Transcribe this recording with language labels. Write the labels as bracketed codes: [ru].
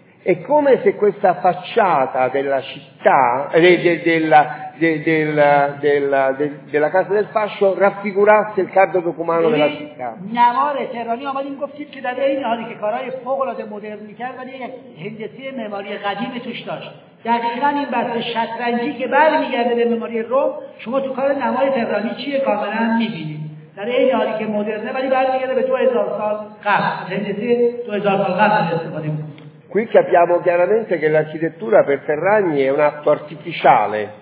[it] E come se questa facciata della città della casa del fascio raffigurasse il cardo documano della città. [fa] نوار تهرانی آمدیم گفتید که در این حالی که کارهای فوق العاده مدرنی کرد ولی یک هندسه معماری قدیم توش داشت، دقیقاً این بحث شطرنجی که برمیگرده به معماری روم، شما تو کار نمای تهرانی چیه کاملا میبینید، در این حالی که مدرنه ولی برمیگرده به 2000 سال قبل، هندسه 2000 سال قبل استفاده میکنه. [it] Qui capiamo chiaramente che l'architettura per Ferragni è un atto artificiale.